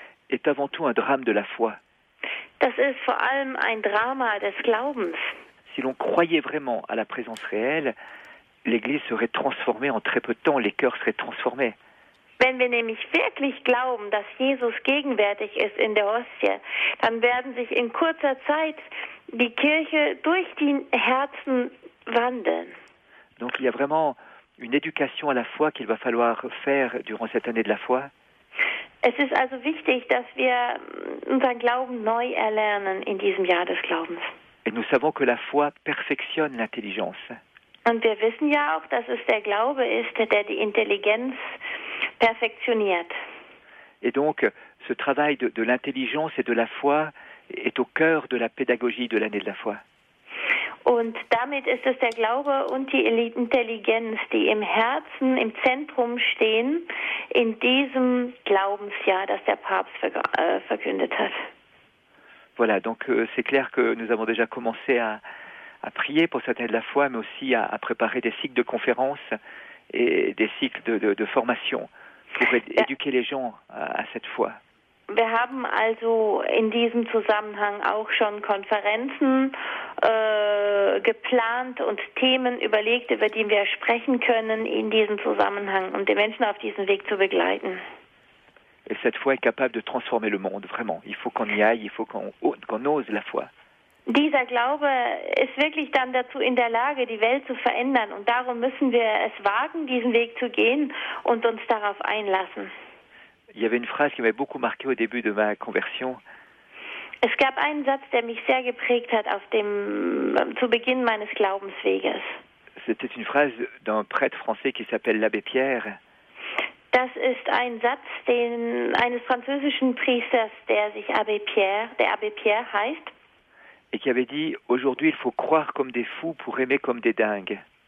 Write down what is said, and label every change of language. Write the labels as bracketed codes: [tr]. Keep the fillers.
[fr] est avant tout un drame de la foi. [de] das ist vor allem ein Drama des Glaubens. [fr] Si l'on croyait vraiment à la présence réelle, l'Église serait transformée en très peu de temps, les cœurs seraient transformés. [de] Wenn wir nämlich wirklich glauben, dass Jesus gegenwärtig ist in der Hostie, dann werden sich in kurzer Zeit die Kirche durch die Herzen wandeln. [fr] Donc il y a vraiment une éducation à la foi qu'il va falloir faire durant cette année de la foi. [de] Es ist also wichtig, dass wir unseren Glauben neu erlernen in diesem Jahr des Glaubens. [fr] Et nous savons que la foi perfectionne l'intelligence. [de] Und wir wissen ja auch, dass es der Glaube ist, der die Intelligenz perfektioniert. [fr] Et donc, ce travail de, de l'intelligence et de la foi est au cœur de la pédagogie de l'année de la foi. [de] Und damit ist es der Glaube und die Intelligenz, die im Herzen, im Zentrum stehen, in diesem Glaubensjahr, das der Papst verkündet hat. [fr] Voilà, donc euh, c'est clair que nous avons déjà commencé à, à prier pour cette année de la foi, mais aussi à, à préparer des cycles de conférences et des cycles de, de, de formation pour é- [de] Ja. [fr] éduquer les gens à, à cette foi. [de] Wir haben also in diesem Zusammenhang auch schon Konferenzen äh, geplant und Themen überlegt, über die wir sprechen können in diesem Zusammenhang, um die Menschen auf diesem Weg zu begleiten. [fr] Et cette foi est capable de transformer le monde, vraiment. Il faut qu'on y aille, il faut qu'on qu'on ose la foi. [de] Dieser Glaube ist wirklich dann dazu in der Lage, die Welt zu verändern. Und darum müssen wir es wagen, diesen Weg zu gehen und uns darauf einlassen. [fr] Il y avait une phrase qui m'avait beaucoup marqué au début de ma conversion. [de] Es gab einen Satz, der mich sehr geprägt hat auf dem, zu Beginn meines Glaubensweges. [fr] C'était une phrase d'un prêtre français qui s'appelle l'abbé Pierre. [de] Das ist ein Satz den, eines französischen Priesters, der sich Abbé Pierre, der Abbé Pierre heißt. [fr] et qui avait dit aujourd'hui il faut croire comme des fous pour aimer comme des dingues.